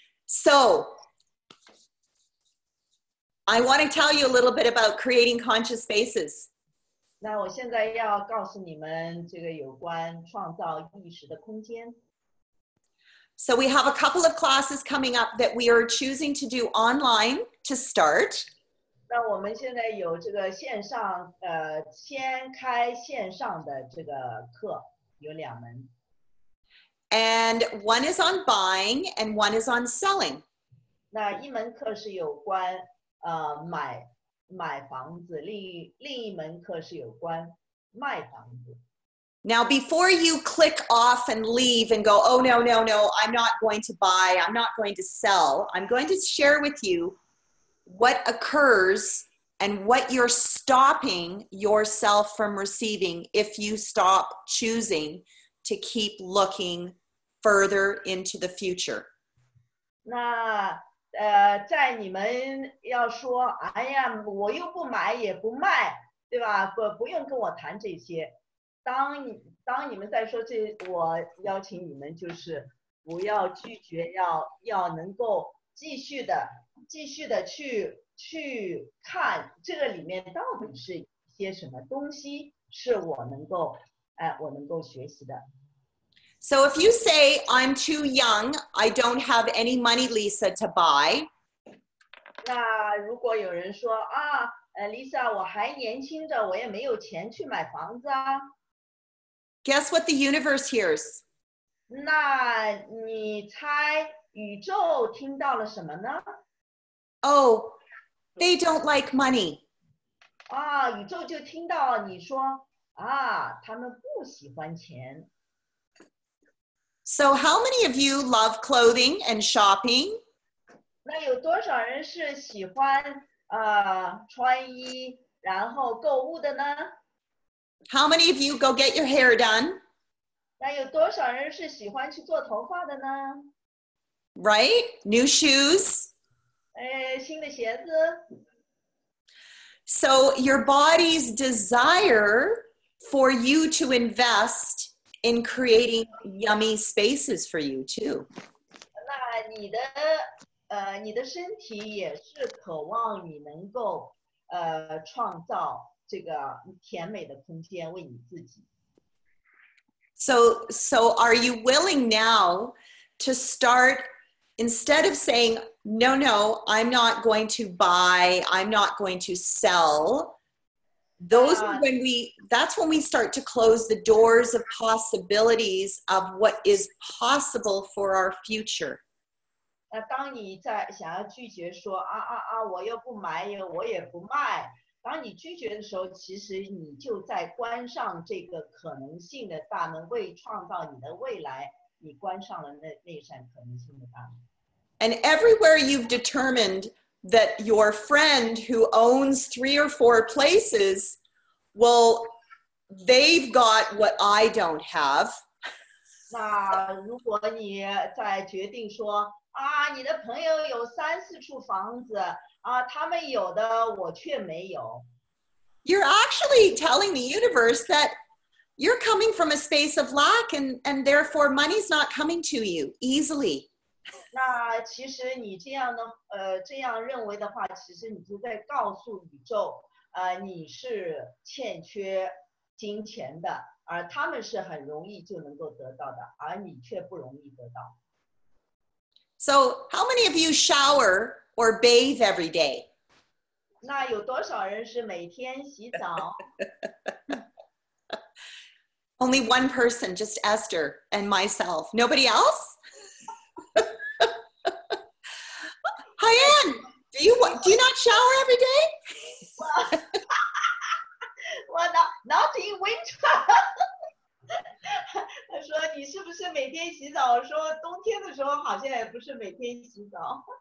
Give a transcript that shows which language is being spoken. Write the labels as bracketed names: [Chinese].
[English] So, I want to tell you a little bit about creating conscious spaces. [Chinese] 那我现在要告诉你们这个有关创造意识的空间。 [English] So we have a couple of classes coming up that we are choosing to do online to start. [Chinese] 那我们现在有这个线上先开线上的这个课有两门。 [English] And one is on buying and one is on selling. [Chinese] 那一门课是有关买房子，另一门课是有关卖房子。 [English] Now before you click off and leave and go, oh no, no, no, I'm not going to buy, I'm not going to sell, I'm going to share with you what occurs and what you're stopping yourself from receiving if you stop choosing to keep looking further into the future. [Chinese] 那在你们要说，哎呀，我又不买也不卖，对吧？不用跟我谈这些。当你们在说这，我邀请你们就是不要拒绝，要能够继续的去看这个里面到底是一些什么东西是我能够学习的。 [English] So if you say, I'm too young, I don't have any money, Lisa, to buy. [Chinese] 那如果有人说啊，Lisa, 我还年轻着，我也没有钱去买房子啊。 [English] Guess what the universe hears? [Chinese] 那你猜宇宙听到了什么呢？ [English] Oh, they don't like money. [Chinese] 啊，宇宙就听到你说啊，他们不喜欢钱。 [English] So how many of you love clothing and shopping? [Chinese] 那有多少人是喜欢穿衣然后购物的呢？ [English] How many of you go get your hair done? [Chinese] 那有多少人是喜欢去做头发的呢？ [English] Right? New shoes? [Chinese] 新的鞋子。 [English] So your body's desire for you to invest in creating yummy spaces for you too. [Chinese] 那你的你的身体也是渴望你能够创造这个甜美的空间为你自己。 [English] So are you willing now to start, instead of saying, no, I'm not going to buy, I'm not going to sell, those are when we, that's when we start to close the doors of possibilities of what is possible for our future. [Chinese] 那当你在想要拒绝说啊，我又不买，我也不卖。当你拒绝的时候，其实你就在关上这个可能性的大门，为创造你的未来，你关上了那扇可能性的大门。 [English] And everywhere you've determined that your friend who owns three or four places, well, they've got what I don't have. [Chinese] 那如果你在决定说你的朋友有三四处房子他们有的我却没有。 [English] You're actually telling the universe that you're coming from a space of lack and therefore money's not coming to you easily. [Chinese] 那其实你这样的这样认为的话，其实你就在告诉宇宙你是欠缺金钱的，而他们是很容易就能够得到的，而你却不容易得到。 [English] So how many of you shower or bathe every day? [Chinese] 那有多少人是每天洗澡？ [English] Only one person, just Esther and myself. Nobody else? Hi Anne, do you not shower every day? Well, not in winter. [Chinese] 他说你是不是每天洗澡，说冬天的时候好像也不是每天洗澡。